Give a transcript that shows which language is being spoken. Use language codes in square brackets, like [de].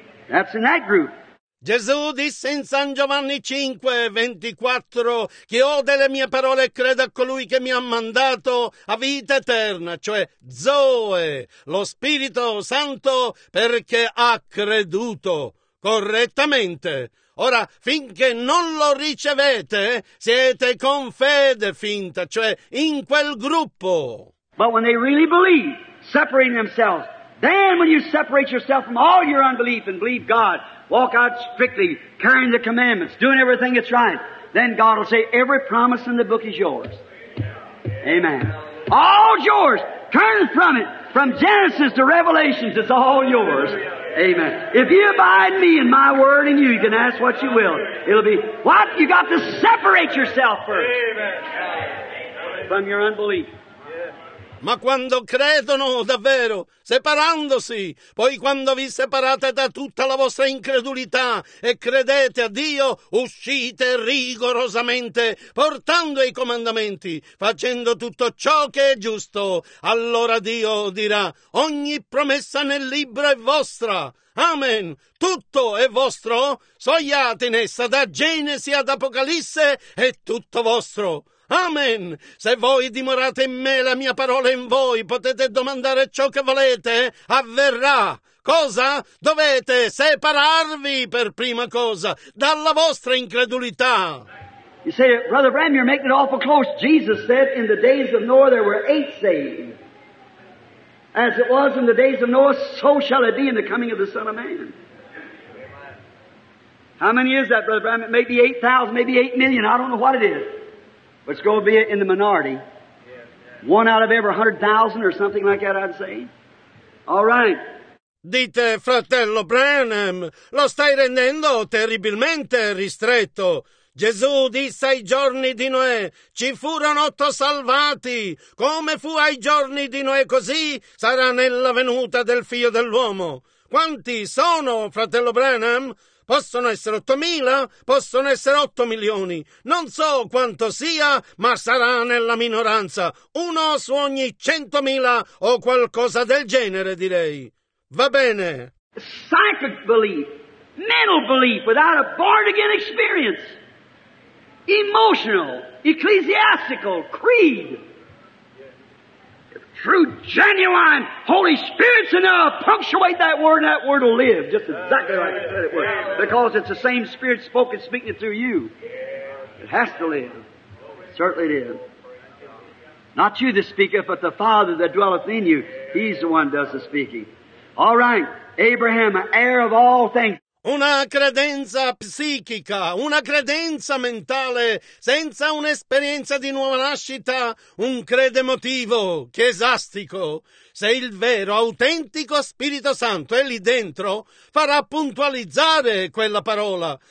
[en] That's in that group. [it] Gesù disse in San Giovanni 5:24, Chi ode le mie parole e crede a colui che mi ha mandato a vita eterna, cioè Zoe, lo Spirito Santo, perché ha creduto correttamente. Ora, finché non lo ricevete, siete con fede finta, cioè in quel gruppo. [en] But when they really believe, separating themselves, then when you separate yourself from all your unbelief and believe God, walk out strictly, carrying the commandments, doing everything that's right, then God will say, every promise in the book is yours. Amen. All yours. Turn from it. From Genesis to Revelations, it's all yours. Amen. If you abide in me and my word in you, you can ask what you will. It'll be, what? You got to separate yourself first. Amen. From your unbelief. [it] Ma quando credono davvero, separandosi, poi quando vi separate da tutta la vostra incredulità e credete a Dio, uscite rigorosamente, portando i comandamenti, facendo tutto ciò che è giusto, allora Dio dirà, ogni promessa nel libro è vostra. Amen. Tutto è vostro. Sogliate in essa da Genesi ad Apocalisse, è tutto vostro. Amen. Se voi dimorate in me, la mia parola in voi, potete domandare ciò che volete, avverrà. Cosa? Dovete separarvi per prima cosa dalla vostra incredulità. [en] You say, Brother Bram, you're making it awful close. Jesus said, in the days of Noah there were 8 saved. As it was in the days of Noah, so shall it be in the coming of the Son of Man. How many is that, Brother Bram? It may be 8,000, maybe 8 million. I don't know what it is. But it's going to be in the minority. One out of every 100,000 or something like that, I'd say. All right. [it] Dite, fratello Branham, lo stai rendendo terribilmente ristretto. Gesù disse ai giorni di Noè, ci furono 8 salvati. Come fu ai giorni di Noè così, sarà nella venuta del figlio dell'uomo. Quanti sono, fratello Branham? Possono essere 8,000, possono essere 8 milioni. Non so quanto sia, ma sarà nella minoranza. Uno su ogni 100,000 o qualcosa del genere, direi. Va bene. [en] Psychic belief, mental belief without a born-again experience. Emotional, ecclesiastical, creed. True, genuine, Holy Spirit's enough. Punctuate that word will live. Just exactly like I said it would. Because it's the same Spirit spoken, speaking it through you. It has to live. Certainly it is. Not you that speaketh, but the Father that dwelleth in you. He's the one that does the speaking. All right, Abraham, heir of all things. [it] Una credenza psichica, una credenza mentale, senza un'esperienza di nuova nascita, un credo emotivo, chiesastico. se il vero, autentico Spirito Santo è lì dentro, farà puntualizzare quella parola.